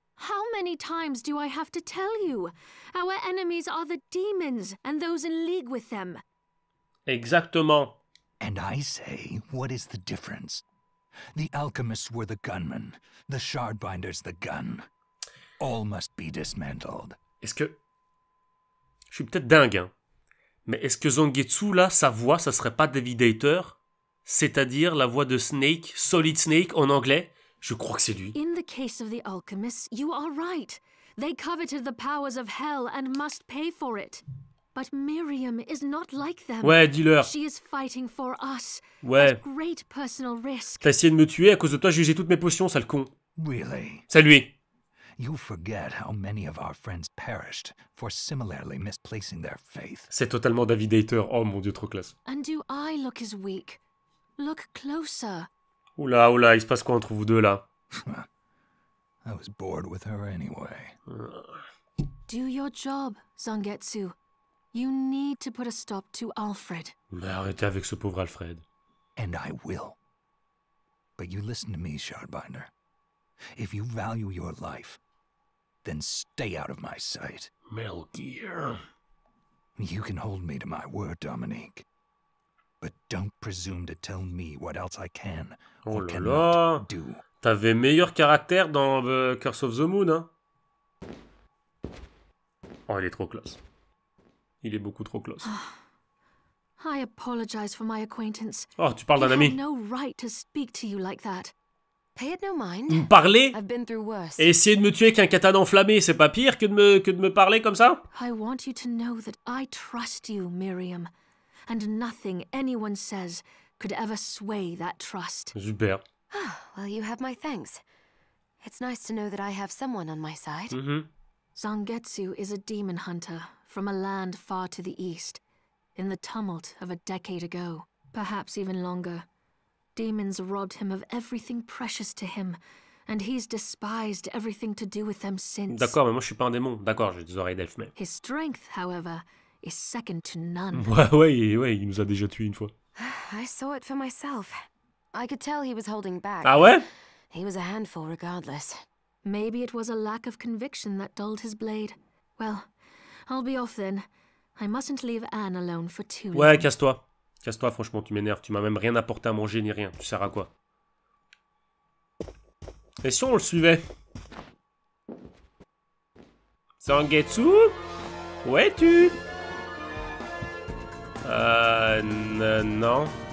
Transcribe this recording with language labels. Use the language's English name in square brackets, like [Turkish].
[English] How many times do I have to tell you? Our enemies are the demons and those in league with them. [French] Exactement. [English] And I say, what is the difference? The alchemists were the gunmen, the shardbinders the gun. All must be dismantled. [French] Est-ce que... Je suis peut-être dingue, hein. Mais est-ce que Zangetsu, là, sa voix, ça serait pas Devidator? C'est-à-dire la voix de Snake, Solid Snake en anglais? Je crois que c'est lui. [English] In the case of the alchemists, you are right. They coveted the powers of hell and must pay for it. But Miriam is not like them. [French] Ouais, dis-leur. [English] She is fighting for us. [French] Ouais. [English] At great personal risk. [French] T'as essayé de me tuer à cause de toi, j'ai usé toutes mes potions, sale con. [English] Really? [French] C'est lui. [English] You forget how many of our friends perished for similarly misplacing their faith. [French] C'est totalement David Hayter. Oh mon dieu, trop classe. [English] And do I look as weak? Look closer. [French] Oula, oula, il se passe quoi entre vous deux là? [English] I was bored with her anyway. Do your job, Zangetsu. You need to put a stop to Alfred. [French] Mais arrêtez avec ce pauvre Alfred. [English] And I will. But you listen to me, Shardbinder. If you value your life, then stay out of my sight. [French] Melgear. [English] You can hold me to my word, Dominique. But don't presume to tell me what else I can or cannot do. [French] T'avais meilleur caractère dans Curse of the Moon, hein? Oh, il est trop classe. Il est beaucoup trop classe. [English] I apologize for my acquaintance. [French] Oh, tu parles d'un ami. [English] I have no right to speak to you like that. Pay it no mind. [French] Me parler? [English] I've been through worse. [French] Et essayer de me tuer avec un katana enflammé, c'est pas pire que de me parler comme ça? [English] I want you to know that I trust you, Miriam. And nothing anyone says could ever sway that trust. [French] Super. [English] Oh, well, you have my thanks. It's nice to know that I have someone on my side. Zangetsu is a demon hunter from a land far to the east, in the tumult of a decade ago, perhaps even longer. Demons robbed him of everything precious to him, and he's despised everything to do with them since. [French] D'accord, mais moi je suis pas un démon. D'accord, j'ai des oreilles d'elfe, mais... [English] His strength, however, is second to none. [French] Ouais, il nous a déjà tués une fois. [English] I saw it for myself. I could tell he was holding back. [French] Ah ouais? [English] He was a handful regardless. Maybe it was a lack of conviction that dulled his blade. Well, I'll be off then. I mustn't leave Anne alone for too long. [French] Ouais, casse-toi. Casse-toi, franchement, tu m'énerves. Tu m'as même rien apporté à manger ni rien. Tu sers à quoi? Et si on le suivait? Zangetsu? Où es-tu? Non.